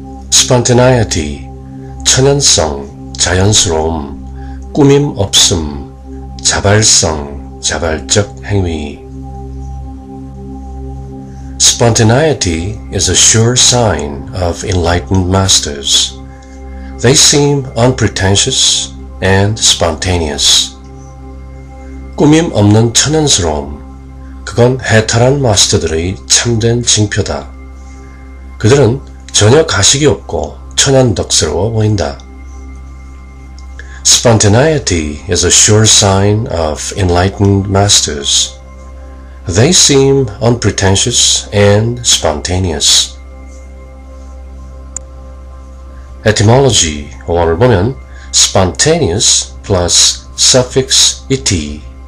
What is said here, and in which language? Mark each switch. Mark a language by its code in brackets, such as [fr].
[ko] Spontaneity, 천연성, 자연스러움, 꾸밈 없음, 자발성, 자발적 행위. [en] Spontaneity is a sure sign of enlightened masters. They seem unpretentious and spontaneous. [ko] 꾸밈 없는 천연스러움, 그건 해탈한 마스터들의 참된 징표다. 그들은 전혀 가식이 없고 천연덕스러워 보인다. [en] Spontaneity is a sure sign of enlightened masters. They seem unpretentious and spontaneous. Etymology, [ko] 원어를 보면 [en] spontaneous plus suffix -ity.